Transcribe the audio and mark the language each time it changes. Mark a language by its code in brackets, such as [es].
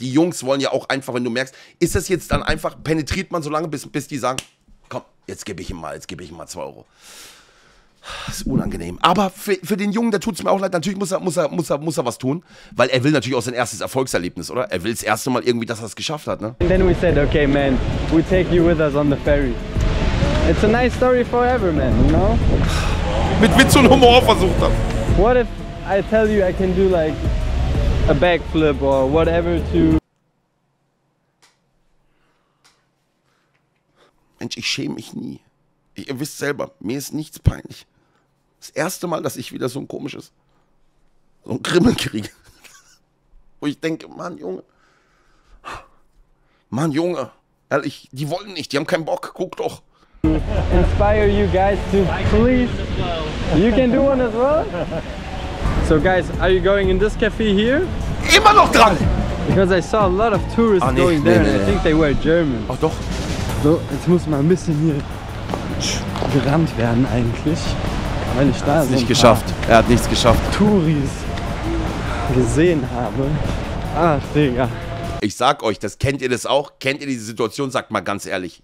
[de] Die Jungs wollen ja auch einfach, wenn du merkst, ist das jetzt dann einfach, penetriert man so lange, bis die sagen, komm, jetzt gebe ich ihm mal 2 Euro. Das ist unangenehm. Aber für den Jungen, der tut es mir auch leid, natürlich muss er was tun, weil er will natürlich auch sein erstes Erfolgserlebnis, oder? Er will das erste Mal irgendwie, dass er es geschafft hat, ne? [en] And then we said, okay, man, we take you with us on the ferry. It's a nice story forever, man, you know? [de] Mit Witz und Humor versucht er. [en] What if I tell you I can do like a backflip or whatever to... [de] Mensch, ich schäme mich nie. Ihr wisst selber, mir ist nichts peinlich. Das erste Mal, dass ich wieder so ein komisches, so ein Grimmel kriege. Wo ich denke, Mann, Junge, ehrlich, die wollen nicht, die haben keinen Bock, guck doch. [en] Inspire you guys to please. You can do one as well? So guys, are you going in this cafe here? [de] Immer noch dran! [en] Because I saw a lot of tourists going there and I think they were German. [de] Ach doch. So, jetzt muss man ein bisschen hier gerannt werden eigentlich. Weil ich da so nicht geschafft. Er hat nichts geschafft. Touris gesehen habe. Ach, Digga. Ich sag euch, das kennt ihr das auch? Kennt ihr diese Situation? Sagt mal ganz ehrlich.